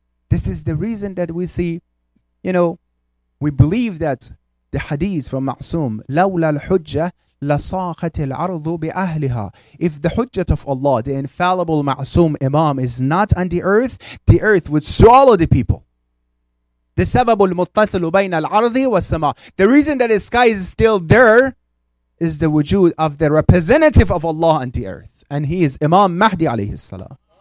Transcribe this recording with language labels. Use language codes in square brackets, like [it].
[en] This is the reason that we see, you know, we believe that the hadith from Ma'soom, [ar] لَوْلَا الْحُجَّةِ لَصَاخَتِ الْعَرْضُ بِأَهْلِهَا. [en] If the hujjat of Allah, the infallible Ma'soom Imam, is not on the earth would swallow the people. [ar] The سبب المتصل بين الأرض والسماء. [en] The reason that the sky is still there is the wujud of the representative of Allah on the earth. And he is Imam Mahdi alayhi salam.